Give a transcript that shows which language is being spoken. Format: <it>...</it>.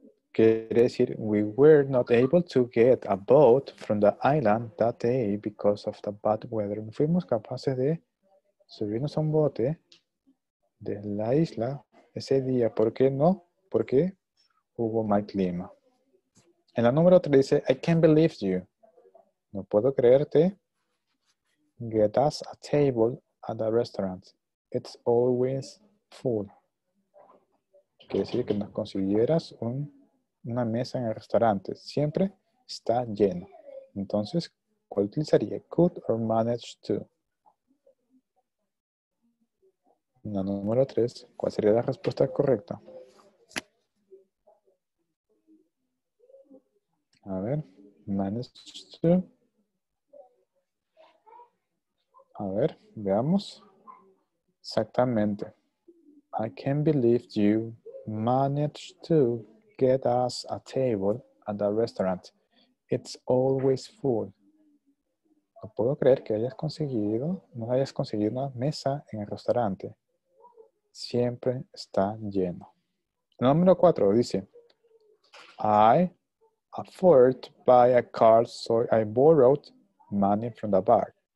<es>Quiere decir,</es> <en>we were not able to get a boat from the island that day because of the bad weather.</en> <es>No fuimos capaces de subimos a un bote de la isla ese día. ¿Por qué no? Porque hubo mal clima. En la número 3 dice,</es> <en>I can't believe you.</en> <es>No puedo creerte.</es> <en>Get us a table at the restaurant. It's always full.</en> <es>Quiere decir que nos consiguieras una mesa en el restaurante. Siempre está lleno. Entonces, ¿cuál utilizaría?</es> <en>Could or manage to.</en> <es>La número 3, ¿cuál sería la respuesta correcta? A ver, manage to. A ver, veamos. Exactamente.</es> <en>I can't believe you managed to get us a table at the restaurant. It's always full.</en> <es>No puedo creer que hayas conseguido, no hayas conseguido una mesa en el restaurante. Siempre está lleno. Número 4 dice,</es> <en>I afford to buy a car, so I borrowed money from the bar.</en>